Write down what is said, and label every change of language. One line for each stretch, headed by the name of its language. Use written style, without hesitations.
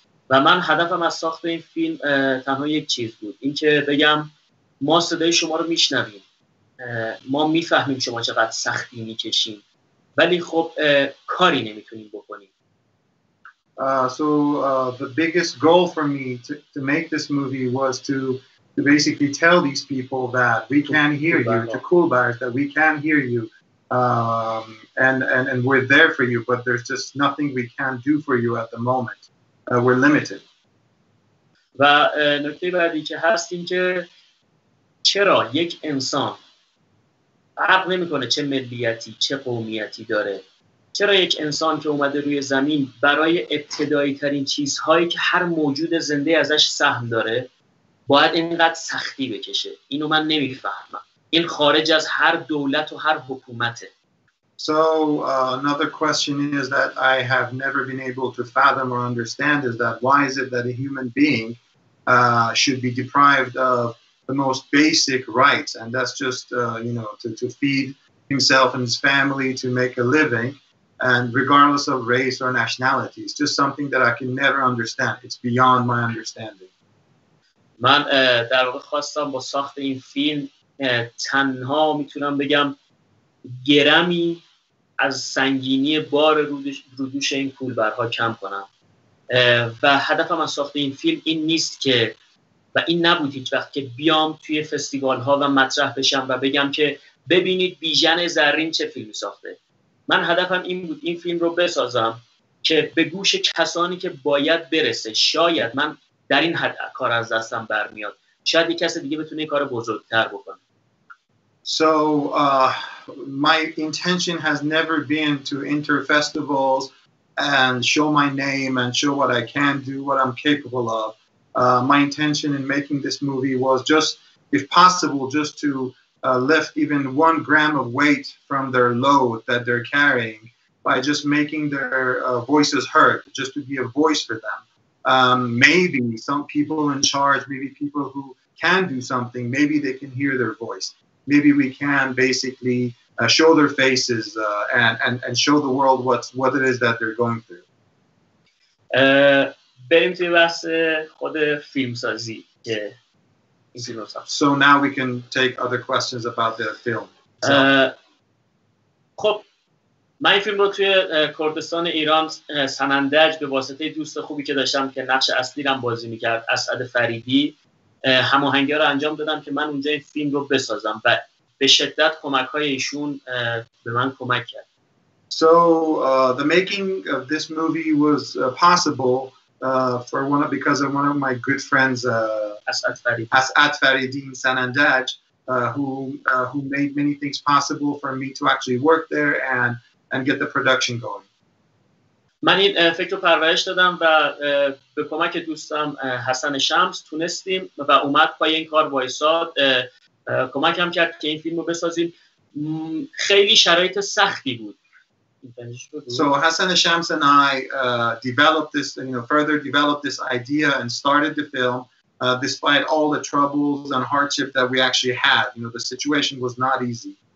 Persian: و من هدفم از ساخت این فیلم تنها یک چیز بود، اینکه بگم ما صدای شما رو میشنویم، ما میفهمیم شما چقدر سختی میکشیم، ولی خب کاری نمیتونیم بکنیم.
English: The biggest goal for me to make this movie was to basically tell these people that we can hear you, to cool bars, that we can hear you, and we're there for you, but there's just nothing we can do for you at the moment. We're limited.
Persian: و نکته بعدی که هست این که چرا یک انسان فرق نمی‌کنه چه ملیتی چه قومیتی داره، چرا یک انسان که اومده روی زمین برای ابتدایی ترین چیزهایی که هر موجود زنده ازش سهم داره باید اینقدر سختی بکشه؟ اینو من نمی‌فهمم. این خارج از هر دولت و هر حکومته.
English: So another question is that I have never been able to fathom or understand is that why is it that a human being should be deprived of the most basic rights, and that's just to feed himself and his family, to make a living, and regardless of race or nationality, it's just something that I can never understand. It's beyond my understanding.
Persian: من در واقع خواستم با ساخت این فیلم تنها میتونم بگم گرمی از سنگینی بار رودوش این کولبرها کم کنم. و هدفم از ساخت این فیلم این نیست که و این نبود هیچ وقت که بیام توی فستیوال ها و مطرح بشم و بگم که ببینید بیژن زرین چه فیلم ساخته. من هدفم این بود این فیلم رو بسازم که به گوش کسانی که باید برسه. شاید من در این حد کار از دستم برمیاد، شاید یک کس دیگه بتونه کار بزرگتر بکنه.
English: So my intention has never been to enter festivals and show my name and show what I can do, what I'm capable of. My intention in making this movie was just, if possible, just to lift even 1 gram of weight from their load that they're carrying by just making their voices heard, just to be a voice for them. Maybe some people in charge, maybe people who can do something, maybe they can hear their voice. Maybe we can basically show their faces and show the world what it is that they're going through.
Persian: بریم توی بحث خود فیلم سازی که این فیلم رو ساخت.
English: So now we can take other questions about the film.
Persian: خب من این فیلم رو توی کردستان ایران سنندج به واسطه دوست خوبی که داشتم که نقش اصلی رو بازی میکرد اسعد فریدی هماهنگی رو انجام دادم که من اونجا این فیلم رو بسازم و به شدت کمک های ایشون به من کمک کرد.
English: So the making of this movie was possible because of one of my good friends, Asad Faridin Sanandaj, who made many things possible for me to actually work there and get the production going.
Persian: من این فکر رو پرورش دادم و به کمک دوستم حسن شمس تونستیم و اومد پای این کار وایساد، کمک هم کرد که این فیلم رو بسازیم. خیلی شرایط سختی بود.
English: So Hassan Shams and I developed this, further developed this idea and started the film despite all the troubles and hardship that we actually had. The situation was not easy.